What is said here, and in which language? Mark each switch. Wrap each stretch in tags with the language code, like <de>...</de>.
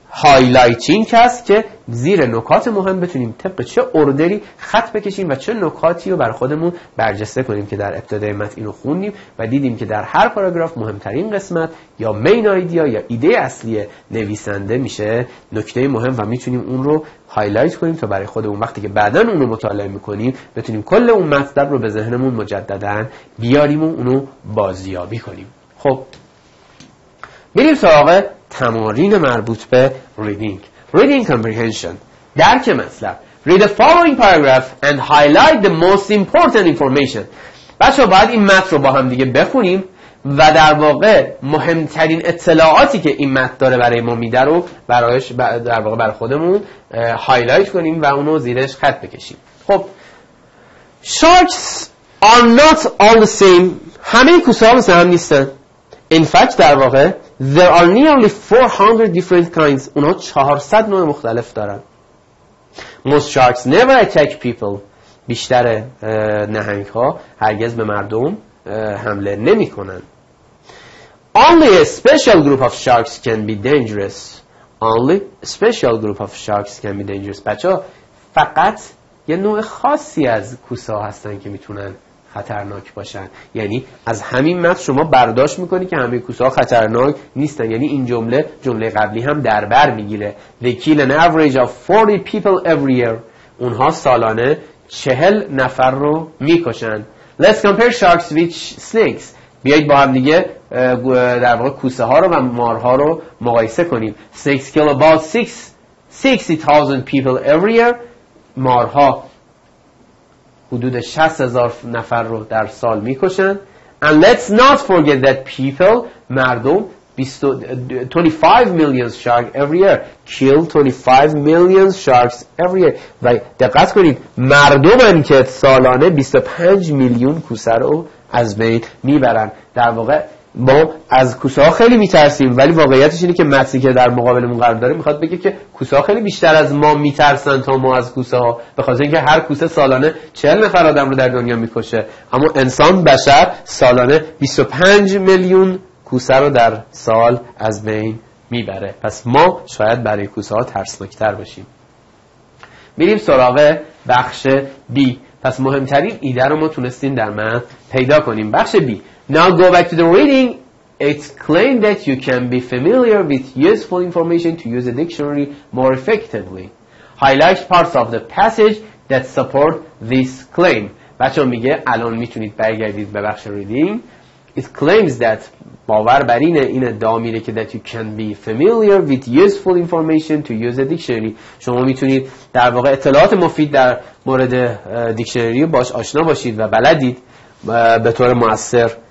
<fa>هایلایتینگ هست که زیر نکات مهم بتونیم طبق چه اردری خط بکشیم و چه نکاتی رو بر خودمون برجسته کنیم که در ابتدای متن اینو خوندیم و دیدیم که در هر پاراگراف مهمترین قسمت یا مین آیدیا یا ایده اصلی نویسنده میشه نکته مهم و میتونیم اون رو هایلایت کنیم تا برای خودمون وقتی که بعداً اون رو مطالعه میکنیم بتونیم کل اون مطلب رو به ذهنمون مجدداً بیاریم و اون رو بازیابی کنیم. خب بریم سراغ تمارین مربوط به reading comprehension، درک مطلب.</fa> <en>Read the following paragraph and highlight the most important information.</en> <fa>بچه ها باید این متن رو با هم دیگه بخونیم و در واقع مهمترین اطلاعاتی که این متن داره برای ما میده رو برایش در واقع برای خودمون هایلایت کنیم و اونو زیرش خط بکشیم.</fa> <en>خب Sharks are not all the same.</en> <fa>همه کوسه ها مثل هم نیستن.</fa> <en>In fact</en> <fa>در واقع</fa> <en>There are nearly 400 different kinds.</en> <fa>اونا 400 نوع مختلف دارن.</fa> <en>Most sharks never attack people.</en> <fa>بیشتر نهنگ ها هرگز به مردم حمله نمی کنن.</fa> <en>Only a special group of sharks can be dangerous. Only a special group of sharks can be dangerous.</en> <fa>بچه ها فقط یه نوع خاصی از کوسه ها هستن که میتونن خطرناک باشن. یعنی از همین متن شما برداشت میکنی که همه کوسه ها خطرناک نیستن. یعنی این جمله جمله قبلی هم در بر میگیره.</fa> <en>They kill an average of 40 people every year.</en> <fa>اونها سالانه 40 نفر رو میکشن.</fa> <en>Let's compare sharks with snakes.</en> <fa>بیایید با هم دیگه در واقع کوسه ها رو و مارها رو مقایسه کنیم.</fa> <en>Snakes kill about 60,000 people every year.</en> <fa>مارها حدود 60,000 نفر رو در سال میکشن.</fa> <en>And let's not forget that people مردم 25 million sharks every year kill 25 million sharks every year.</en> <fa>و دقت کنید مردم هم که سالانه 25 میلیون کوسه رو از بین میبرن. در واقع ما از کوسه ها خیلی میترسیم ولی واقعیتش اینه که متنی که در مقابلمون قرار داره میخواد بگه که کوسه ها خیلی بیشتر از ما میترسن تا ما از کوسه ها، به خاطر اینکه هر کوسه سالانه 40 نفر آدم رو در دنیا میکشه اما انسان بشر سالانه 25 میلیون کوسه رو در سال از بین میبره. پس ما شاید برای کوسه ها ترسناکتر باشیم. میریم سراغ بخش B. پس مهمترین ایده رو ما تونستیم در متن پیدا کنیم.</fa> <en>بخش B. Now go back to the reading. It's claimed that you can be familiar with useful information to use a dictionary more effectively. Highlight parts of the passage that support this claim.</en> <fa>بچه ها میگه الان میتونید برگردید به بخش reading.</fa> <en>It claims that</en> <fa>باور بر اینه، این ادعا میره که</fa> <en>that you can be familiar with useful information to use a dictionary.</en> <fa>شما میتونید در واقع اطلاعات مفید در مورد دیکشنری باش آشنا باشید و بلدید به طور مؤثر.</fa>